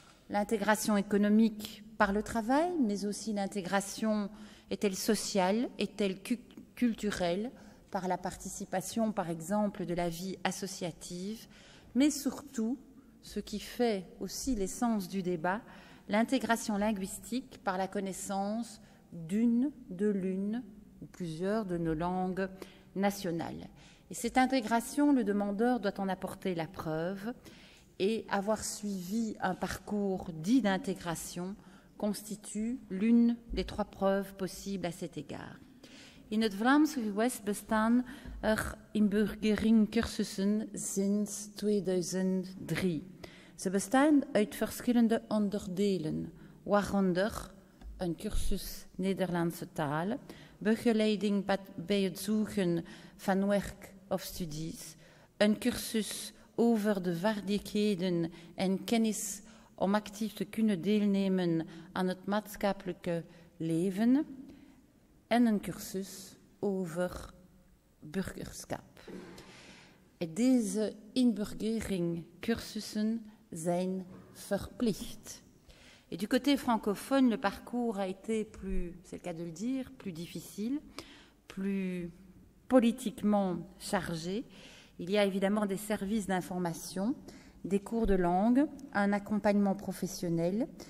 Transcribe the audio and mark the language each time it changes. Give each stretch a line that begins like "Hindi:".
French: L'intégration économique par le travail, mais aussi l'intégration est-elle sociale, est-elle culturelle, par la participation, par exemple, de la vie associative, mais surtout, ce qui fait aussi l'essence du débat, l'intégration linguistique par la connaissance d'une, de l'une ou plusieurs de nos langues nationales. Et cette intégration, le demandeur doit en apporter la preuve et avoir suivi un parcours dit d'intégration constitue l'une des trois preuves possibles à cet égard.
Dutch: In het Vlaams Gewest bestaan er inburgeringcursussen sinds 2003. Ze bestaan uit verschillende onderdelen, waaronder een cursus Nederlandse taal, begeleiding bij het zoeken van werk of studies, een cursus over de vaardigheden en kennis om actief te kunnen deelnemen aan het maatschappelijke leven en een cursus over burgerschap. En deze inburgeringcursussen zijn verplicht.
French: Et du côté francophone, le parcours a été plus, c'est le cas de le dire, plus difficile, plus politiquement chargé. Il y a évidemment des services d'information, des cours de langue, un accompagnement professionnel.